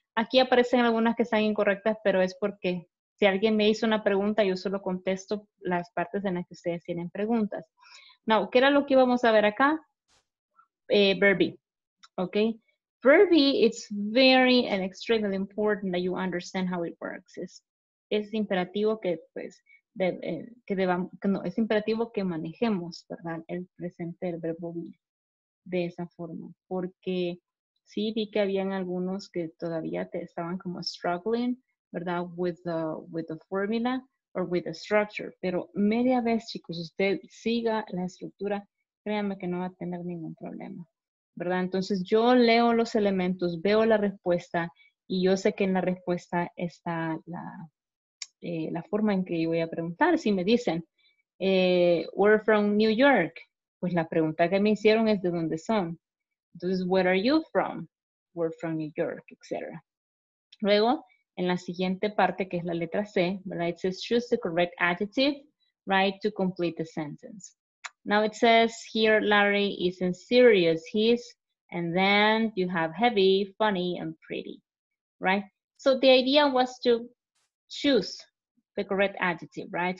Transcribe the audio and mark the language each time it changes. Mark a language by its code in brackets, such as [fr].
[es] Aquí aparecen algunas que están incorrectas, pero es porque si alguien me hizo una pregunta, yo solo contesto las partes en las que ustedes tienen preguntas. Now, ¿qué era lo que íbamos a ver acá? Verbi, ¿ok? [en] Verbi, it's very and extremely important that you understand how it works. [es] Es imperativo que, pues, es imperativo que manejemos, ¿verdad? El presente del verbo be de esa forma. Porque sí vi que habían algunos que todavía estaban como struggling, ¿verdad? [en] With the formula or with the structure. [es] Pero media vez, chicos, usted siga la estructura, créanme que no va a tener ningún problema, ¿verdad? Entonces yo leo los elementos, veo la respuesta y yo sé que en la respuesta está la forma en que yo voy a preguntar. Si me dicen, [en] we're from New York, [es] pues la pregunta que me hicieron es de dónde son. Entonces, [en] where are you from? We're from New York, etc. [es] Luego, en la siguiente parte, que es la letra C, ¿verdad? [en] It says, choose the correct adjective, right, to complete the sentence. Now it says, here Larry is in serious, he's, and then you have heavy, funny, and pretty, right? So the idea was to choose the correct adjective, right?